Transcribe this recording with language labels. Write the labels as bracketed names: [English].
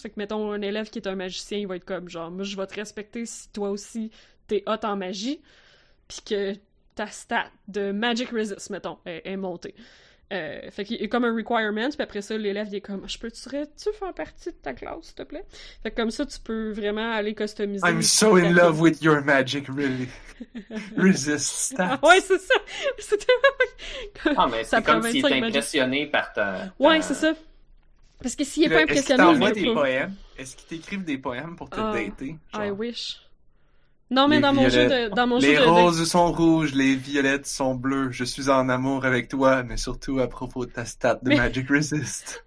[French] Fait que, mettons, un élève qui est un magicien, il va être comme, genre, moi, je vais te respecter si toi aussi, t'es hot en magie, puis que ta stat de magic resist, mettons, est montée. Fait qu'il est comme un requirement, puis après ça, l'élève, il est comme, je peux-tu faire partie de ta classe, s'il te plaît? Fait que comme ça, tu peux vraiment aller customiser... [English] I'm so in love with your magic, really. Resist stats. [French] Ah, ouais, c'est ça! C'était... Ah, mais c'est comme s'il était impressionné par ta... Ouais, c'est ça. Parce que s'il est pas impressionné... Est-ce qu'il t'envoie des poèmes? Est-ce qu'il t'écrive des poèmes pour te dater? Genre? [English] I wish. [French] Non, mais dans mon jeu de... Les roses sont rouges, les violettes sont bleues. Je suis en amour avec toi, mais surtout à propos de ta stat de Magic Resist.